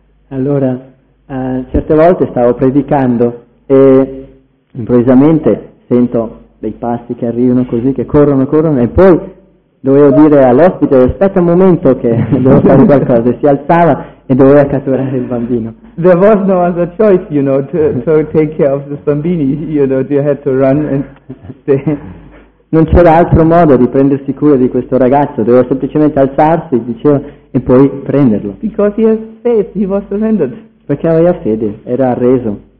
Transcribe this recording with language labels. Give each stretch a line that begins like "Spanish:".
Italian: Allora, certe volte stavo predicando e improvvisamente sento dei passi che arrivano così, che corrono e poi dovevo dire all'ospite, aspetta un momento che devo fare qualcosa, si alzava e doveva catturare il bambino.
English: There was no other choice, you know, to take care of the bambini, you know, you had to run and stay.
Italian: Non c'era altro modo di prendersi cura di questo ragazzo, doveva semplicemente alzarsi, dicevo, e poi prenderlo.
English: Because he has faith, he was surrendered.
Italian: Perché aveva fede, era arreso.